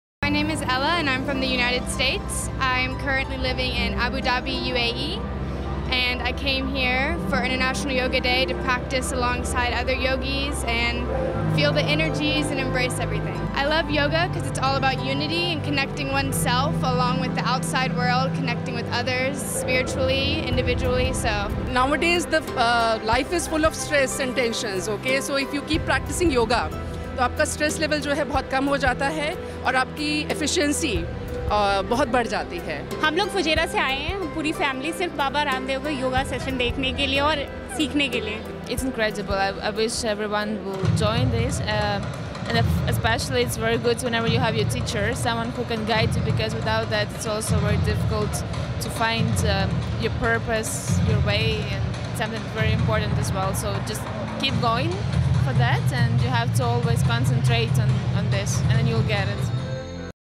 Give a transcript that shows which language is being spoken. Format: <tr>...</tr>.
<en>name is Ella and I'm from the United States. I'm currently living in Abu Dhabi, UAE, and I came here for International Yoga Day to practice alongside other yogis and feel the energies and embrace everything. I love yoga because it's all about unity and connecting oneself along with the outside world, connecting with others spiritually, individually, so. Nowadays, the life is full of stress and tensions, okay?</en> <hi>So if you keep practicing yoga, तो आपका stress level जो है बहुत कम हो जाता है और आपकी एफिशिएंसी बहुत बढ़ जाती है। हम लोग फुजेरा से आए हैं, हम पूरी फैमिली सिर्फ बाबा रामदेव का योगा सेशन देखने के लिए और सीखने के लिए।</hi> <en>It's incredible. I wish everyone will join this. And especially it's very good whenever you have your teacher, someone who can guide you, because without that it's also very difficult to find your purpose, your way, and something very important as well. So just keep going for that, and you have to always concentrate on this, and then you'll get it.</en>